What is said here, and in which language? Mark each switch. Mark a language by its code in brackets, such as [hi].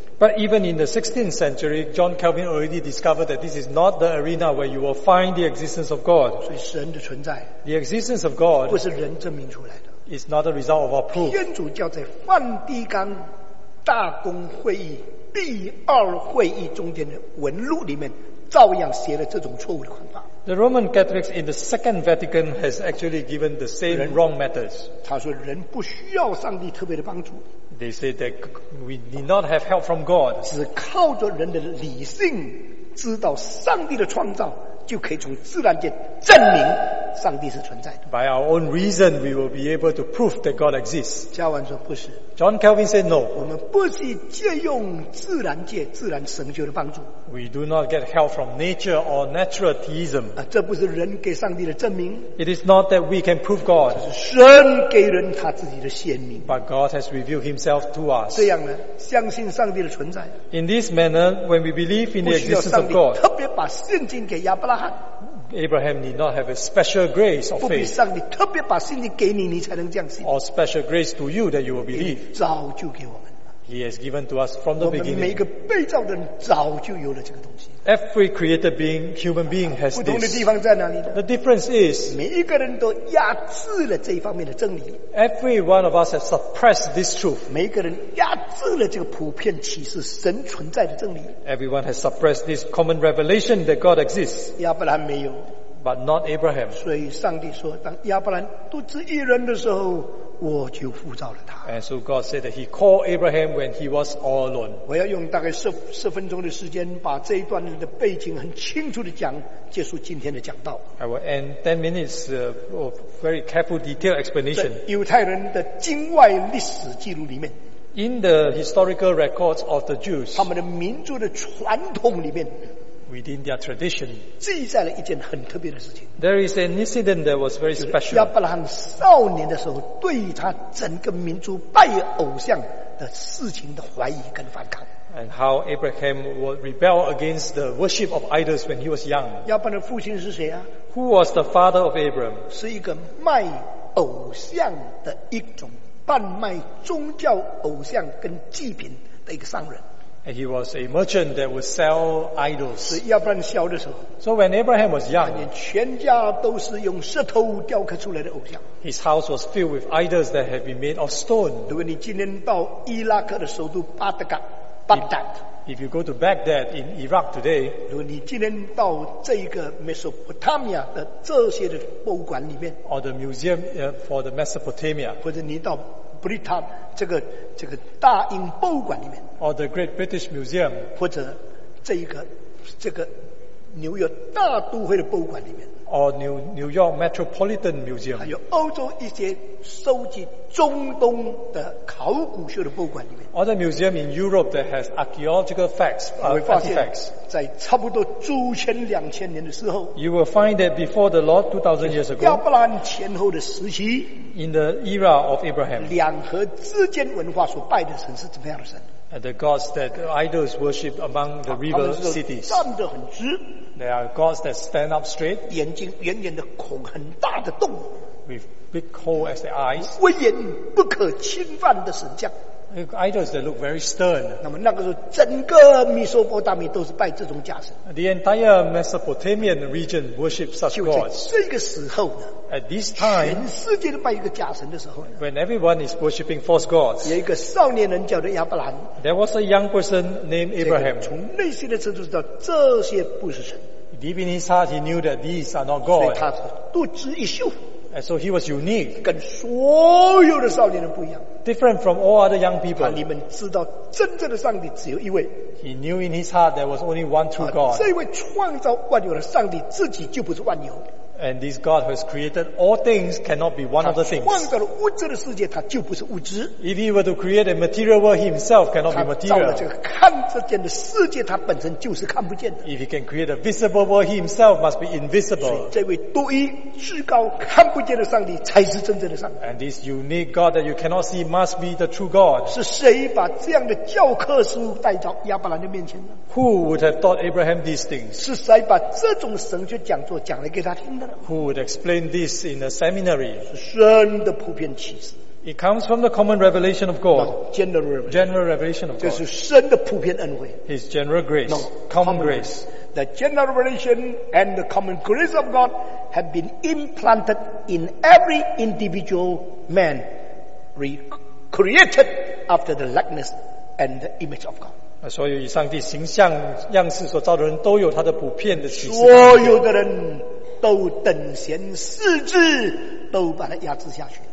[en] But even in the 16th century John Calvin already discovered that this is not the arena where you will find the existence of God. [zh] 所以神的存在 [en] The existence of God [zh] 不是人证明出来的 [en] It's not a result of our proof. [zh] 天主教在梵蒂冈大公会议第二会议中间的文录里面照样写了这种错误的看法。 [en] The Roman Catholics in the Second Vatican has actually given the same wrong methods. [zh] 他说人不需要上帝特别的帮助。 [en] They say that we need not have help from God. [zh] 只靠着人的理性知道上帝的创造，就可以从自然界证明上帝是存在的。 [en] By our own reason, we will be able to prove that God exists. [zh] 加文说不是。 [en] John Calvin said no. [zh] 我们不是借用自然界、自然神学的帮助。 [en] We do not get help from nature or natural theism. [zh] 这不是人给上帝的证明。 [en] It is not that we can prove God. [zh] 这是神给人他自己的显明。 [en] But God has revealed Himself to us. [zh] 这样呢，相信上帝的存在。 [en] In this manner, when we believe in the existence of God, [zh] 特别把圣经给亚伯拉罕。 [en] Abraham need not have a special grace of faith. [zh] 不必上帝特别把圣经给你，你才能这样信。 [en] Or special grace to you that you will believe. [zh] 早就给我们。 [en] He has given to us from the beginning. [zh] 我们每一个被造的人早就有了这个东西。 [en] Every created being, human being has this. [zh] 不同的地方在哪里呢？ [en] The difference is, [zh] 每一个人都压制了这一方面的真理。 [en] Every one of us has suppressed this truth. [zh] 每一个人压制了这个普遍启示神存在的真理。 [en] Everyone has suppressed this common revelation that God exists. [zh] 亚伯兰没有。 [en] But not Abraham. [zh] 所以上帝说，当亚伯兰独自一人的时候，我就呼召了他。 [en] And so God said that He called Abraham when he was all alone. [zh] 我要用大概十分钟的时间，把这一段的背景很清楚的讲，结束今天的讲道。 [en] I will end 10 minutes of very careful, detailed explanation. [zh] 在犹太人的境外历史记录里面。 [en] In the historical records of the Jews. [zh] 他们的民族的传统里面。 [en] Within their tradition, [zh] 记载了一件很特别的事情。 [en] There is an incident that was very special. [zh] 亚伯拉罕少年的时候，对他整个民族拜偶像的事情的怀疑跟反抗。 [en] And how Abraham would rebel against the worship of idols when he was young. [zh] 亚伯拉罕父亲是谁啊？ [en] Who was the father of Abraham? [zh] 是一个卖偶像的一种，贩卖宗教偶像跟祭品的一个商人。 [en] And he was a merchant that would sell idols. [zh] 是亚伯兰小的时候。 [en] So when Abraham was young, [zh] 他全家都是用石头雕刻出来的偶像。 [en] His house was filled with idols that had been made of stone. [zh] 如果你今天到伊拉克的首都巴格达，巴格达。 [en] If you go to Baghdad in Iraq today, [zh] 如果你今天到这个 Mesopotamia 的这些的博物馆里面 [en] ，or the museum for the Mesopotamia， [zh] 或者你到 Britain 这个大英博物馆里面 [en] ，or the Great British Museum， [zh] 或者这个纽约大都会的博物馆里面 [en] ，or New York Metropolitan Museum， [zh] 还有欧洲一些收集中东的考古学的博物馆里面 [en] ，or the museum in Europe that has archaeological facts， [zh] 你会发现，在差不多主前两千年的时候 [en] ，you will find that before the Lord 2000 years ago， [zh] 亚伯兰前后的时期 [en] ，in the era of Abraham， [zh] 两河之间文化所拜的神是怎么样的神？ [en] And the gods that idols worship among the river cities. [zh] 站得很直。 [en] They are gods that stand up straight. [zh] 眼睛圆圆的孔很大的洞。 [en] With big hole as the eyes. [zh] 威严不可侵犯的神像。 [en] Idols that look very stern. [zh] 那么那个时候，整个米索波达米都是拜这种假神。 [en] The entire Mesopotamian region worship such gods. [zh] 就在这个时候呢。 [en] At this time, [zh] 全世界都拜一个假神的时候呢。 [en] When everyone is worshiping false gods. [zh] 有一个少年人叫做亚伯兰。 [en] There was a young person named Abraham. [zh] 从内心的深处知道这些不是神。 [en] Deep in his heart, he knew that these are not gods. [zh] 所以他是独自一秀。 [en] And so he was unique. [zh] 跟所有的少年人不一样。 [en] Different from all other young people. [zh] 他里面知道真正的上帝只有一位。 [en] He knew in his heart there was only one true God. [zh] 这位创造万有的上帝自己就不是万有。 [en] And this God who has created all things cannot be one of the things. [zh] 他创造了物质的世界，他就不是物质。 [en] If he were to create a material world, he himself cannot be material. [zh] 他造了这个看得见的世界，他本身就是看不见的。 [en] If he can create a visible world, he himself must be invisible. [zh] 所以这位独一至高看不见的上帝才是真正的上帝。 [en] And this unique God that you cannot see must be the true God. [zh] 是谁把这样的教科书带到亚伯兰的面前呢？ [en] Who would have taught Abraham these things? [zh] 是谁把这种神学讲座讲来给他听的？ [en] Who would explain this in a seminary? [zh] 神的普遍启示。 [en] It comes from the common revelation of God. General revelation of God. [zh] 这是神的普遍恩惠。 [en] His general grace. No, common grace. The general revelation and the common grace of God have been implanted in every individual man, created after the likeness and the image of God. [zh] 所有以上帝形象样式所造的人都有他的普遍的启示。所有的人都等闲视之，都把它压制下去。